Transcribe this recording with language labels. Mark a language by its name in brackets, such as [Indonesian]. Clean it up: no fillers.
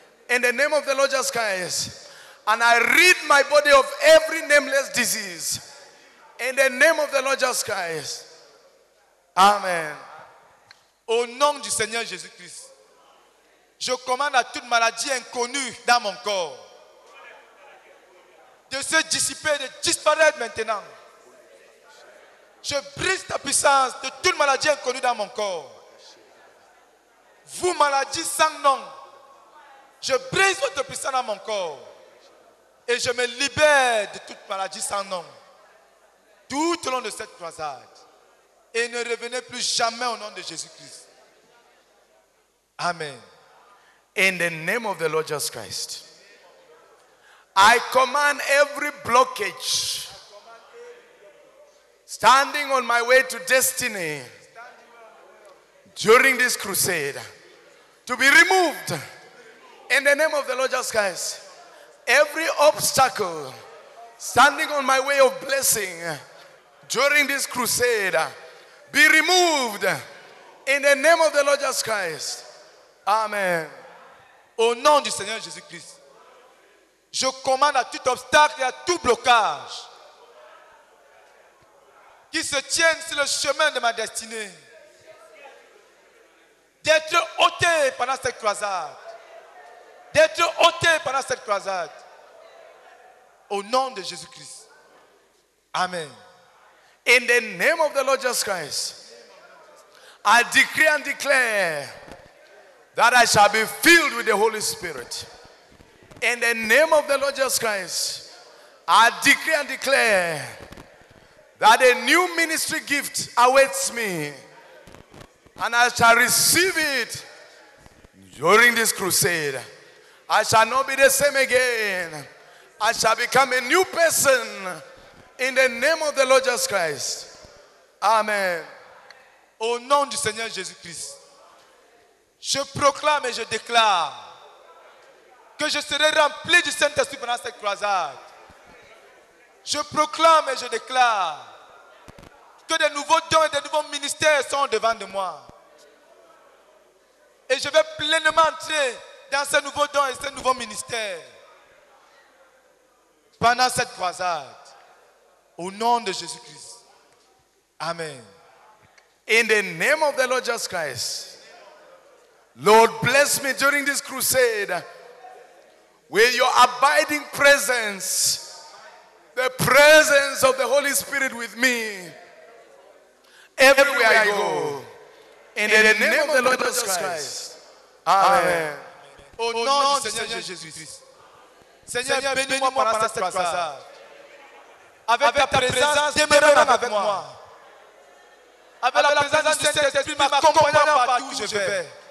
[English] In the name of the Lord Jesus Christ, and I rid my body of every nameless disease. In the name of the Lord Jesus Christ. Amen. [French] Au nom du Seigneur Jésus Christ, je commande à toute maladie inconnue dans mon corps de se dissiper, de disparaître maintenant. Je brise ta puissance de toute maladie inconnue dans mon corps. Vous, maladie sans nom, je brise votre puissance dans mon corps et je me libère de toute maladie sans nom tout au long de cette croisade et ne revenez plus jamais au nom de Jésus-Christ. Amen. [English] In the name of the Lord Jesus Christ, I command every blockage standing on my way to destiny during this crusade to be removed. In the name of the Lord Jesus Christ, every obstacle standing on my way of blessing during this crusade, be removed in the name of the Lord Jesus Christ. Amen. [French] Au nom du Seigneur Jésus-Christ, je commande à tout obstacle et à tout blocage qui se tienne sur le chemin de ma destinée d'être ôté pendant cette croisade. D'être ôté pendant cette croisade. Au nom de Jésus-Christ. Amen. [English] In the name of the Lord Jesus Christ, I decree and declare that I shall be filled with the Holy Spirit. In the name of the Lord Jesus Christ, I decree and declare that a new ministry gift awaits me, and I shall receive it during this crusade. I shall not be the same again. I shall become a new person in the name of the Lord Jesus Christ. Amen. [French] Au nom du Seigneur Jésus Christ, je proclame et je déclare que je serai rempli du Saint-Esprit pendant cette croisade. Je proclame et je déclare que de nouveaux dons et de nouveaux ministères sont devant de moi. Et je vais pleinement entrer dans ces nouveaux dons et ces nouveaux ministères pendant cette croisade. Au nom de Jésus-Christ. Amen. [English] In the name of the Lord Jesus Christ, Lord, bless me during this crusade with your abiding presence, the presence of the Holy Spirit with me, everywhere I go. In the name of the Lord Jesus Christ. Amen. [French] Au nom du Seigneur Jésus-Christ, Seigneur, bénis-moi pendant cette croisade. Avec ta présence, demeure avec moi. Avec la présence du Saint-Esprit, m'accompagnant partout où je vais.